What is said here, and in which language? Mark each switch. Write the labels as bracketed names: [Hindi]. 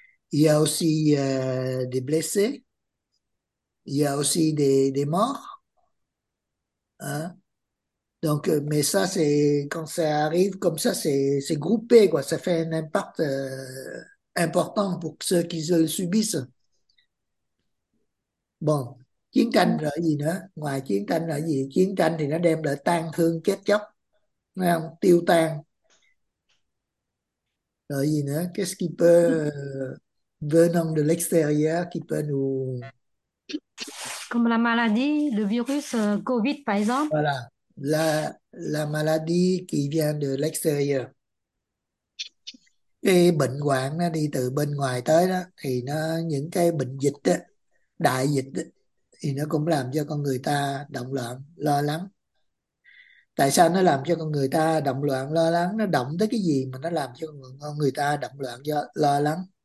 [French] Il y a aussi des blessés. Il y a aussi des morts. Hein? Donc, mais ça, c'est quand ça arrive comme ça, c'est groupé, quoi. Ça fait un impact important pour ceux qui le subissent. [Vietnamese] Bon, chiến tranh là gì nữa? Ngoài chiến tranh là gì? Chiến tranh thì nó đem lại tang thương chết chóc, đúng không? Tiêu tan. Rồi gì nữa? [French] Qu'est-ce qui peut venant de l'extérieur qui peut nous Comme la maladie, le virus COVID, par exemple. Voilà, la maladie qui vient de l'extérieur. [Vietnamese] Cái bệnh hoạn nó đi từ bên ngoài tới đó, thì nó những cái bệnh dịch đó, đại dịch đó, thì nó cũng làm cho con người ta động loạn, lo lắng. Tại sao nó làm cho con người ta động loạn, lo lắng? Nó động tới cái gì mà nó làm cho con người ta động loạn, do lo lắng?